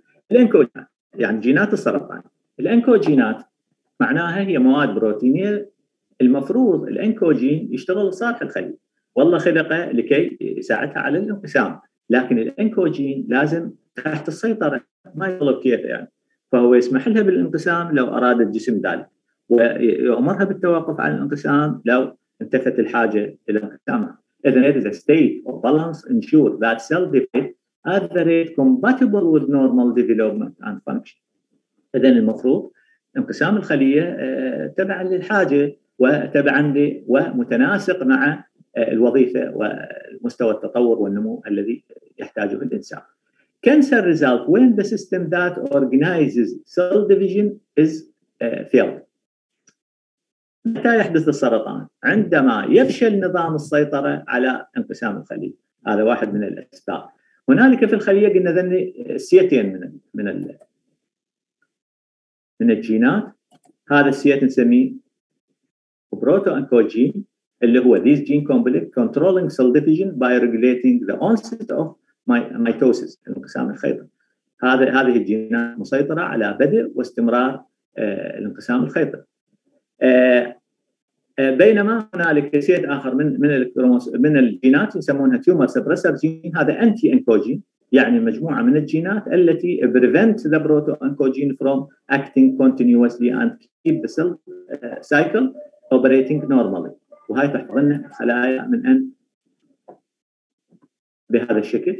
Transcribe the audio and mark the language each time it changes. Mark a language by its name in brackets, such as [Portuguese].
[Arabic] الانكوجينات يعني جينات السرطان، الانكوجينات معناها هي مواد بروتينيه المفروض الانكوجين يشتغل لصالح الخليه، والله خلقه لكي يساعدها على الانقسام، لكن الانكوجين لازم تحت السيطره ما يطلب كيف يعني، فهو يسمح لها بالانقسام لو أراد الجسم ذلك، ويأمرها بالتوقف عن الانقسام لو انتفت الحاجة إلى انقسامها. إذن [English] it is a state of balance ensure that cell divide at the rate compatible with normal development and function. [Arabic] إذن المفروض انقسام الخلية تبع للحاجة وتبع عندي ومتناسق مع الوظيفة ومستوى التطور والنمو الذي يحتاجه الإنسان. [English] Cancer result when the system that organizes cell division is failed. [Arabic] متى يحدث السرطان؟ عندما يفشل نظام السيطرة على انقسام الخلية. هذا واحد من الأسباب. هنالك في الخلية قلنا ذني سيتين من الجينات. هذا السيت نسميه بروتو انكوجين اللي هو [English] this gene complex controlling cell division by regulating the onset of [Arabic] ميتوسيس الانقسام الخيطي. هذه الجينات مسيطره على بدء واستمرار الانقسام الخيطي. بينما هنالك سيت اخر من الجينات يسمونها تيومر سبرسر جين، هذا انتي انكوجين يعني مجموعه من الجينات التي [English] prevent the proto oncogene from acting continuously and keep the cell cycle operating normally, [Arabic] وهي تحفظ لنا الخلايا من ان بهذا الشكل.